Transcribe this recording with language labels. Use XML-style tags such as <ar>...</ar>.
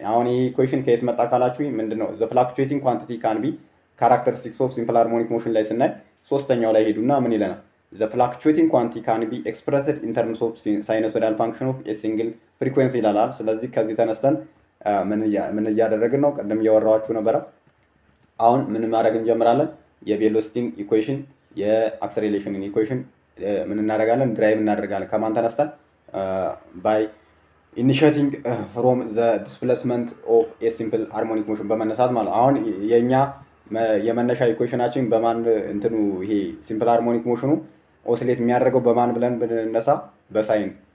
<am>አሁን ይሄ equation ከየት መጣ ካላችሁ ምንድነው?</am> <en>the fluctuating quantity can be characteristics of simple harmonic motion</en> <am>ላይ ስናይ ሶስተኛው ላይ ሄዱና ምን ይለናል?</am> <en>the fluctuating quantity can be expressed in terms of sinusoidal function of a single frequency</en> <am>ይላል። ስለዚህ ከዚህ ተነስተን ምን እያደረግን ነው? ቀደም ያወራኋችሁ ነበር። አሁን ምን ማድረግ እንጀምራለን? የቬሎሲቲን ኢኩዌሽን የአክሰሌሬሽን ኢን ኢኩዌሽን ምን እናደርጋለን? ድራይቭ እናደርጋለን ከማን ተነስተን?</am> <en>ባይ ኢኒሺየቲንግ ፍሮም ዘ ዲስፕሌስመንት ኦፍ ኤ ሲምፕል ሃርሞኒክ ሞሽን</en> <am>በመነሳት ማለት ነው። አሁን የኛ የመነሻ ኢኩዌሽናችን በማን እንትኑ ይሄ ሲምፕል ሃርሞኒክ ሞሽኑ ኦሲሌት የሚያደርገው በማን ብለን ብንነሳ በሳይን</am>